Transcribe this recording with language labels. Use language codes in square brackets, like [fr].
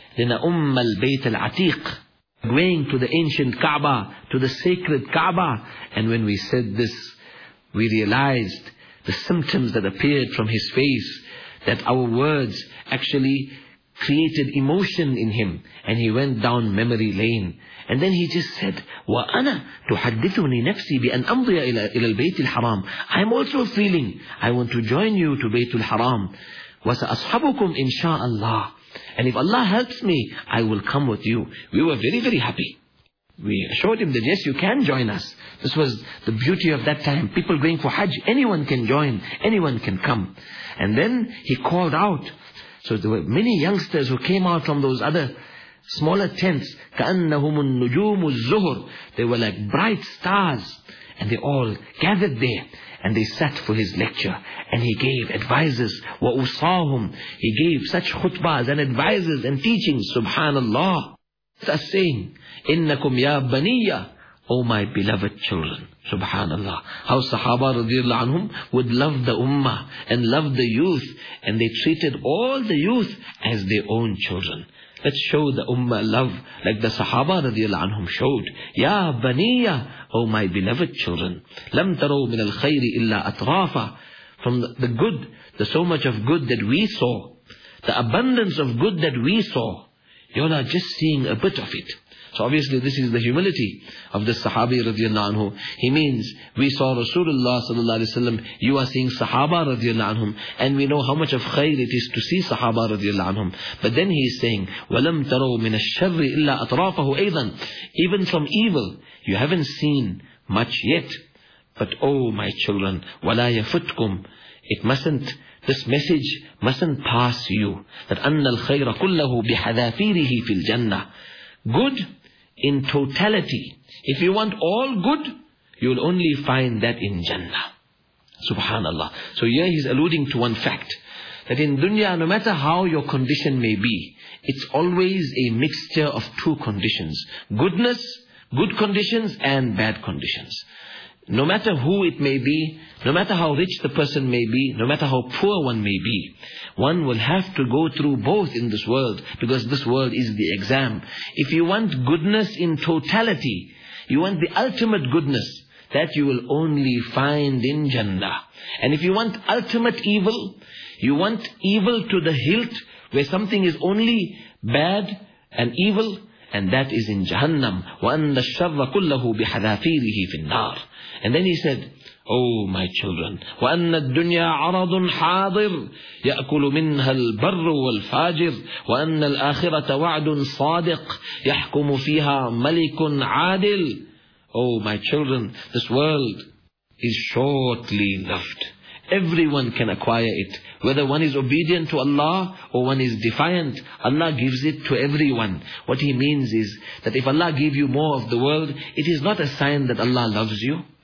[ar] لِنَأُمَّ الْبَيْتَ الْعَتِيقِ. [en] Going to the ancient Kaaba, to the sacred Kaaba. And when we said this, we realized the symptoms that appeared from his face, that our words actually created emotion in him, and he went down memory lane. And then he just said, [ar] وَأَنَا تُحَدِّثُنِي نَفْسِي بِأَنْ أَمْضِيَ إِلَى الْبَيْتِ الْحَرَامِ. [en] I'm also feeling, I want to join you to Baytul Haram. [ar] وَسَأَصْحَبُكُمْ إِنْ شَاءَ اللَّهِ. [en] And if Allah helps me, I will come with you. We were very, very happy. We assured him that yes, you can join us. This was the beauty of that time. People going for Hajj, anyone can join, anyone can come. And then he called out. So there were many youngsters who came out from those other smaller tents. [ar] كَأَنَّهُمُ النُّجُومُ الزُّهُرُ. [en] They were like bright stars. And they all gathered there. And they sat for his lecture. And he gave advices. [ar] وَأُصَاهُمْ. [en] He gave such khutbas and advices and teachings. Subhanallah. Thus saying, [ar] إِنَّكُمْ يَا بَنِيَّ. [en] O my beloved children. Subhanallah. How Sahaba radiallahu anhum would love the ummah and love the youth. And they treated all the youth as their own children. Let's show the ummah love like the Sahaba radiallahu anhum showed. [ar] Ya baniya, [en] O my beloved children. [ar] Lam taro min al khayri illa atrafa. [en] From the good, the so much of good that we saw, the abundance of good that we saw, you're not just seeing a bit of it. So obviously this is the humility of the Sahabi radiallahu anhu. He means, we saw Rasulullah sallallahu alayhi wa sallam, you are seeing Sahaba radiallahu anhum, and we know how much of khair it is to see Sahaba radiallahu anhum. But then he is saying, [ar] وَلَمْ تَرَوْ مِنَ الشَّرِّ إِلَّا أَطْرَافَهُ أَيْضًا. [en] Even from evil, you haven't seen much yet. But oh my children, [ar] وَلَا يَفُتْكُمْ. [en] It mustn't, this message mustn't pass you. That [ar] أَنَّ الْخَيْرَ كُلَّهُ بِحَذَافِيرِهِ فِي الْجَنَّةِ. [en] Good in totality. If you want all good, you'll only find that in Jannah. Subhanallah. So here he's alluding to one fact. That in dunya, no matter how your condition may be, it's always a mixture of two conditions. Goodness, good conditions, and bad conditions. No matter who it may be, no matter how rich the person may be, no matter how poor one may be, one will have to go through both in this world, because this world is the exam. If you want goodness in totality, you want the ultimate goodness, that you will only find in Jannah. And if you want ultimate evil, you want evil to the hilt, where something is only bad and evil, and that is in Jahannam. [ar] وَأَنَّ الشَّرَّ كُلَّهُ بِحَذَافِيرِهِ فِي النَّارِ. [en] And then he said, oh my children, [ar] وَأَنَّ الدُّنْيَا عَرَضٌ حَاضِرٌ يَأْكُلُ مِنْهَا الْبَرُّ وَالْفَاجِرُ وَأَنَّ الْآخِرَةَ وَعْدٌ صَادِقٌ يَحْكُمُ فِيهَا مَلِكٌ عَادِلٌ. [en] Oh my children, this world is shortly left. Everyone can acquire it. Whether one is obedient to Allah or one is defiant, Allah gives it to everyone. What he means is that if Allah gave you more of the world, it is not a sign that Allah loves you.